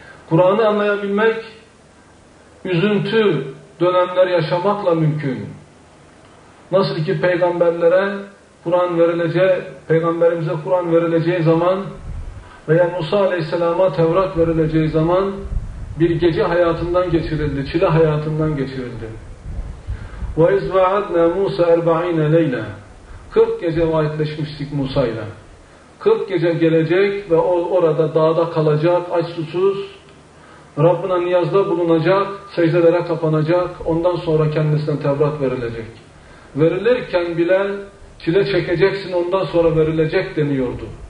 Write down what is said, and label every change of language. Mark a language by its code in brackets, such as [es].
[tr] Kur'an'ı anlayabilmek, üzüntü dönemler yaşamakla mümkün. Nasıl ki peygamberlere Kur'an verileceği, peygamberimize Kur'an verileceği zaman veya Musa Aleyhisselam'a Tevrat verileceği zaman bir gece hayatından geçirildi, çile hayatından geçirildi. [ar] وَاِذْ وَعَدْنَا مُوسَى اَرْبَع۪ينَ لَيْلًا [tr] 40 gece vaatleşmiştik Musa'yla. 40 gece gelecek ve o orada dağda kalacak, aç susuz, Rabbine niyazda bulunacak, secdelere kapanacak, ondan sonra kendisine Tevrat verilecek. Verilirken bile çile çekeceksin, ondan sonra verilecek deniyordu.